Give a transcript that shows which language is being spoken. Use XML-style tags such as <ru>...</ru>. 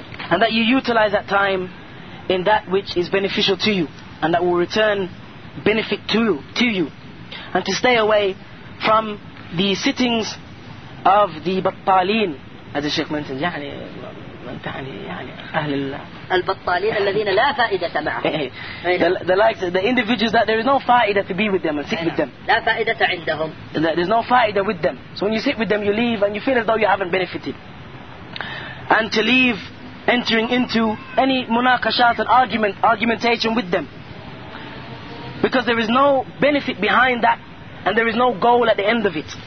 <en>and that you utilize that time in that which is beneficial to you and that will return benefit to you, and to stay away from the sittings of the battalin, as the Sheikh mentioned.</en> <ar>يعني أهل البطالين الذين لا فائدة معهم.</ar> <en>The individuals that there is no فائدة to be with them and sit with them.</en> <ar>لا فائدة عندهم.</ar> <en>There's no فائدة with them. So when you sit with them, you leave and you feel as though you haven't benefited. And to leave, entering into any مناقشات and argumentation with them, because there is no benefit behind that, and there is no goal at the end of it.</en>